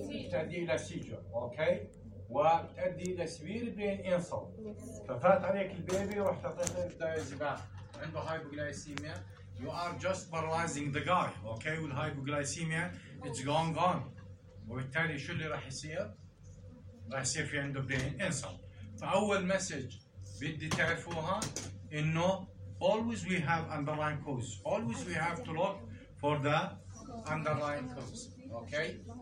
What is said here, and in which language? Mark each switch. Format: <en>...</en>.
<ar>تأدي إلى سيجر، أوكي؟ وتأدي إلى</ar> <en>Severe brain insult.</en> <ar>ففات عليك البيبي ورحت أعطيته الدايزيبام. عنده هايبوغلايسيميا.</ar> <en>You are just paralyzing the guy, okay? With hypoglycemia, it's gone.</en> <ar>وبالتالي شو اللي راح يصير؟ راح يصير في عنده</ar> <en>brain insult.</en> <ar>فأول مسج بدي تعرفوها إنه</ar> <en>always we have underlying cause. Always we have to look for the underlying cause, okay?</en>